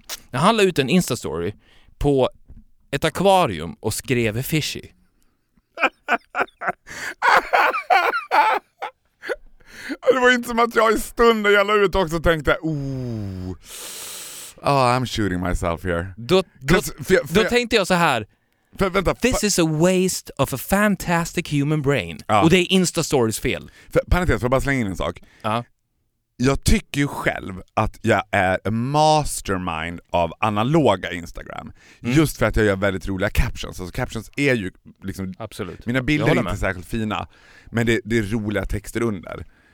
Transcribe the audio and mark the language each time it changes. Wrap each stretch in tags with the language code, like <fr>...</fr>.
<sv>När han la ut en Insta-story på ett akvarium och skrev fishy. Det var inte som att jag i stunden jag la ut också tänkte</sv> <en>ooh, oh, I'm shooting myself here.</en> <sv>Då tänkte jag så här. Vänta,</sv> <en>this is a waste of a fantastic human brain. Ah.</en> <sv>Och det är Insta-stories fel. Parentes, får bara slänga in en sak. Jag tycker ju själv att jag är</sv> <en>a mastermind</en> <sv>av analoga Instagram. Mm. Just för att jag gör väldigt roliga captions. Alltså captions är ju liksom... Absolut. Mina bilder är inte särskilt fina. Men det är roliga texter under.</sv>